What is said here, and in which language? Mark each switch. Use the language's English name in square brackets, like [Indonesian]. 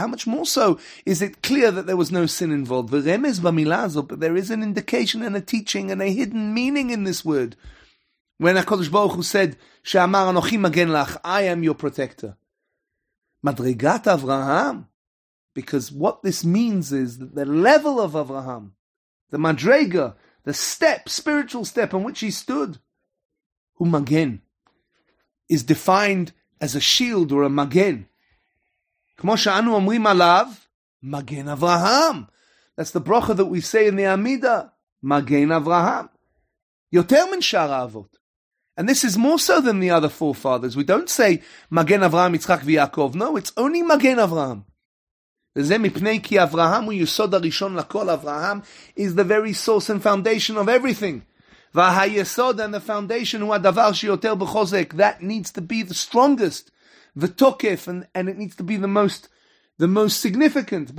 [English] How much more so is it clear that there was no sin involved? [Hebrew] ורמז במילה הזאת, [English] but there is an indication and a teaching and a hidden meaning in this word. When הקדוש ברוך הוא said, [Hebrew] שאמר אנוכי מגן לך, [English] I am your protector. [Hebrew] מדרגת אברהם, [English] because what this means is that the level of Avraham, the madrega, the step, spiritual step on which he stood, humagen, is defined as a shield or a magen. [Hebrew] Kmo she'anu omrim alav, magen Avraham. [English] That's the brocha that we say in the Amida, magen Avraham. [Hebrew] Yoter min shar avot. [English] And this is more so than the other forefathers. We don't say magen Avraham, Yitzchak v'Yaakov. No, it's only magen Avraham. [Hebrew] וזה מפני כי אברהם הוא יסוד הראשון לכל. [English] אברהם is the very source and foundation of everything. [Hebrew] והיסוד [English] and the foundation [Hebrew] הוא הדבר שיותר בחוזק. [English] That needs to be the strongest. ותוקף, and it needs to be the most significant.